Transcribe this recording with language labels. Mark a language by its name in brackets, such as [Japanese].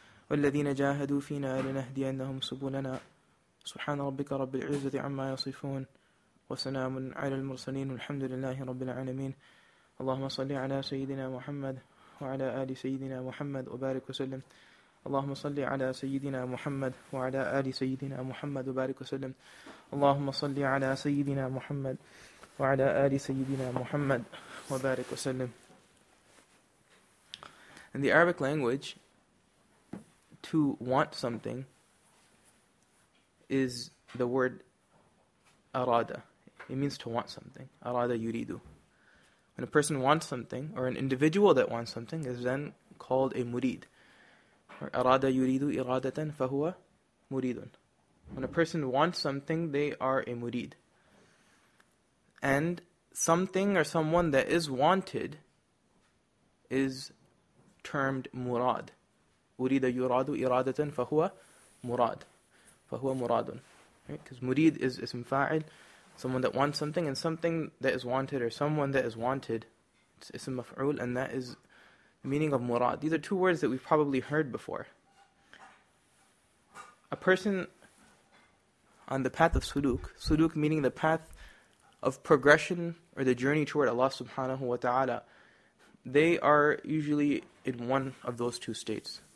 [Arabic] والذين جاهدوا فينا لنهدينهم سبلنا سبحان ربك رب العزة عما يصفون وسلام على المرسلين والحمد لله رب العالمين اللهم صل على سيدنا محمد وعلى آل سيدنا محمد وبارك وسلم اللهم صل على سيدنا محمد وعلى آل سيدنا محمد وبارك وسلم اللهم صل على سيدنا محمد وعلى آل سيدنا محمد وبارك وسلم. [English] In the Arabic language, to want something is the word arada. It means to want something. Arada yuridu. When a person wants something, or an individual that wants something, is then called a murid. [Arabic] أَرَادَ يُرِيدُ إِرَادَةً فَهُوَ مُرِيدٌ. [English] When a person wants something, they are a murid. And something or someone that is wanted is termed murad. [Arabic] أُرِيدَ يُرَادُ إِرَادَةً فَهُوَ مُرَادٌ. فَهُوَ مُرَادٌ. [English] Because murid is ism fa'il, someone that wants something, and something that is wanted or someone that is wanted, it's ism maf'ul, and that is meaning of murad. These are two words that we've probably heard before. A person on the path of suluk meaning the path of progression or the journey toward Allah subhanahu wa ta'ala, they are usually in one of those two states.